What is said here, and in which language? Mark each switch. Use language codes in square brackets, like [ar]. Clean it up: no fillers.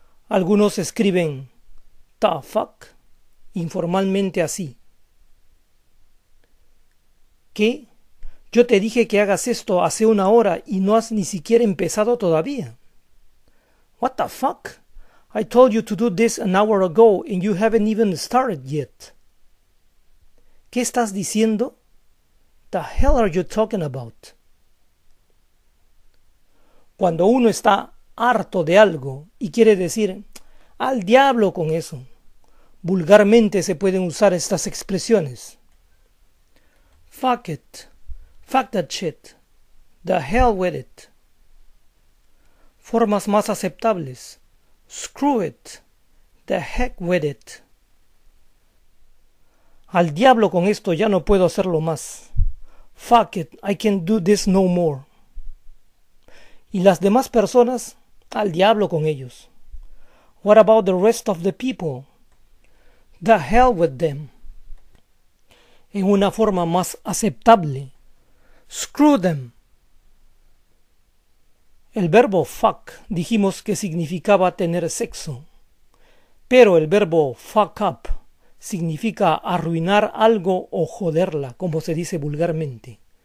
[es] Algunos escriben the fuck informalmente así. ¿Qué? Yo te dije que hagas esto hace una hora y no has ni siquiera empezado todavía. [en] What the fuck? I told you to do this an hour ago and you haven't even started yet. [es] ¿Qué estás diciendo? [en] The hell are you talking about? [es] Cuando uno está harto de algo y quiere decir al diablo con eso, vulgarmente se pueden usar estas expresiones. [en] Fuck it. Fuck that shit. The hell with it. [es] Formas más aceptables. [en] Screw it. The heck with it. [es] Al diablo con esto, ya no puedo hacerlo más. [en] Fuck it, I can't do this no more. [es] Y las demás personas, al diablo con ellos. [en] What about the rest of the people? The hell with them. [es] En una forma más aceptable. [en] Screw them. [es] El verbo fuck dijimos que significaba tener sexo. Pero el verbo fuck up significa arruinar algo o joderla, como se dice vulgarmente.